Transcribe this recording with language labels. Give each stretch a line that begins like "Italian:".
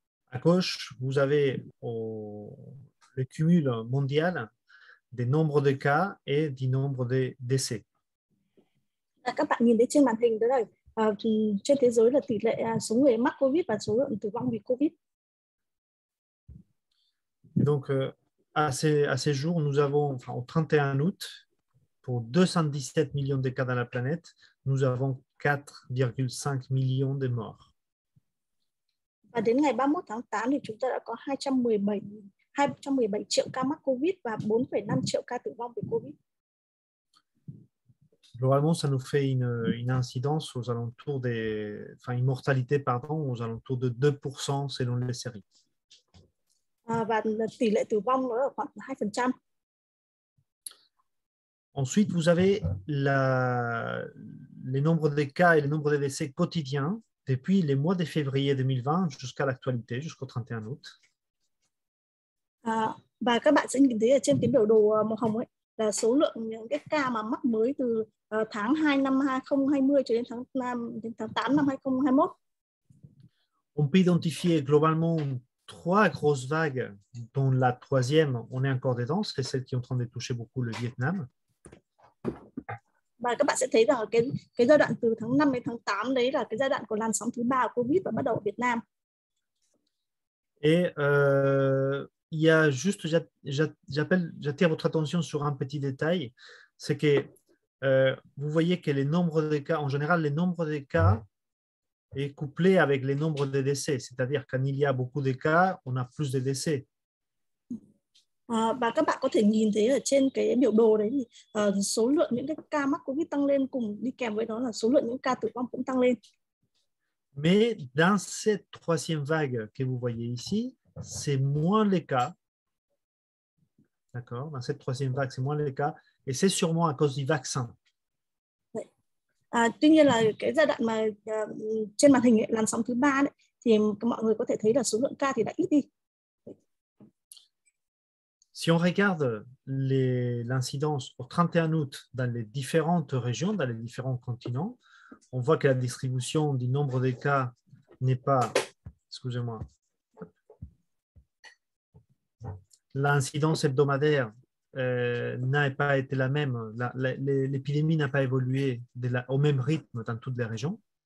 French: À gauche, vous avez le cumul mondial des nombres de cas et du nombre de décès.
Vietnamese: Các bạn nhìn thấy trên màn hình đây, trên thế giới là tỷ lệ số người mắc COVID và số lượng tử vong vì COVID.
French: Donc, à ces jours, nous avons, enfin, au 31 août, pour 217 millions de cas dans la planète, nous avons 4,5 millions de morts.
Vietnamese: Và đến ngày 31 tháng 8 thì chúng ta đã có 217 triệu ca mắc COVID và 4,5 triệu ca tử vong vì COVID.
French: Globalement, ça nous fait une incidence aux alentours des, enfin, une mortalité, pardon, aux alentours de 2% selon les séries.
Vietnamese: Và tỷ lệ tử vong là khoảng 2%.
French: Ensuite, vous avez les nombres de cas et les nombres de décès quotidiens depuis les mois de février 2020 jusqu'à l'actualité, jusqu'au 31 août.
Vietnamese: Và các bạn sẽ nhìn thấy ở trên cái biểu đồ màu hồng ấy là số lượng những cái ca mà mắc mới từ tháng 2 năm 2020 cho đến tháng 8 năm 2021.
French: On peut identifier globalement trois grosses vagues, dont la troisième, on est encore dedans, c'est celle qui est en train de toucher beaucoup le Vietnam.
Vietnamese: Và các bạn sẽ thấy rằng cái giai đoạn từ tháng 5 đến tháng 8 đấy là cái giai đoạn của làn sóng thứ ba của COVID và bắt đầu ở Việt Nam.
French: Et il y a juste, j'attire votre attention sur un petit détail, c'est que vous voyez que les nombres de cas, en général, les nombres de cas est couplé avec les nombres de décès, c'est-à-dire quand il y a beaucoup de cas, on a plus de décès.
Vietnamese: Và các bạn có thể nhìn thấy ở trên cái biểu đồ đấy thì số lượng những cái ca mắc COVID tăng lên cùng đi kèm với đó là số lượng những ca tử vong cũng tăng lên.
French: Mais dans cette troisième vague que vous voyez ici, c'est moins les cas. D'accord? Dans cette troisième vague, c'est moins les cas et c'est sûrement à cause du vaccin.
Vietnamese: Tuy nhiên là cái giai đoạn mà trên màn hình ấy, làn sóng thứ ba đấy thì mọi người có thể thấy là số lượng ca thì đã ít đi.
French: Si on regarde l'incidence au 31 août dans les différentes régions, dans les différents continents, on voit que la distribution du nombre de cas n'est pas, excusez-moi, l'incidence hebdomadaire n'a pas été la même, l'épidémie n'a pas évolué au même rythme dans toutes les régions.